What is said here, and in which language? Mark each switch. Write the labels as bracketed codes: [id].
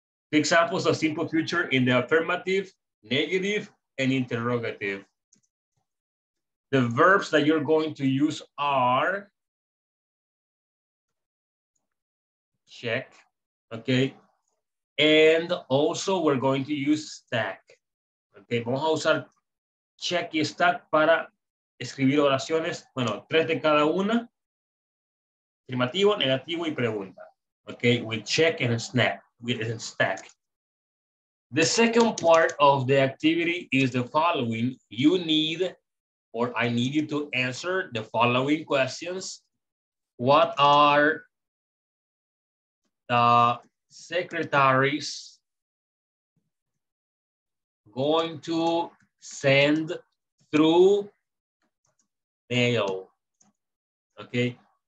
[en] The examples of simple future in the affirmative, negative, and interrogative. The verbs that you're going to use are check, okay? And also we're going to use stack, okay? [es] Vamos a usar check y stack para escribir oraciones, bueno, tres de cada una, afirmativo, negativo y pregunta, okay? [en] With check and stack, with stack. The second part of the activity is the following. You need, or I need you to answer the following questions. What are the secretaries going to send through mail? Okay.